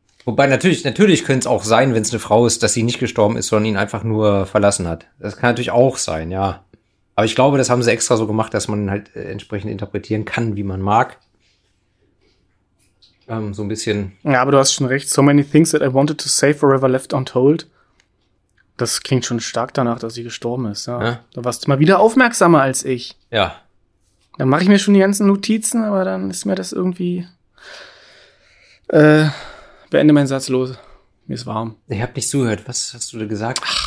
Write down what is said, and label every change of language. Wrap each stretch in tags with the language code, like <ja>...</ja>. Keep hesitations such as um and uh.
<de>Wobei natürlich, natürlich könnte es auch sein, wenn es eine Frau ist, dass sie nicht gestorben ist, sondern ihn einfach nur verlassen hat. Das kann natürlich auch sein, ja. Aber ich glaube, das haben sie extra so gemacht, dass man halt äh, entsprechend interpretieren kann, wie man mag. Ähm, so ein bisschen. Ja, aber du hast schon recht.</de> <en>So many things that I wanted to say forever left untold.</en> <de>Das klingt schon stark danach, dass sie gestorben ist. Ja. Ja. Da warst du mal wieder aufmerksamer als ich. Ja. Dann mache ich mir schon die ganzen Notizen, aber dann ist mir das irgendwie. Äh, beende meinen Satz los. Mir ist warm. Ich habe nicht zugehört. Was hast du da gesagt?</de>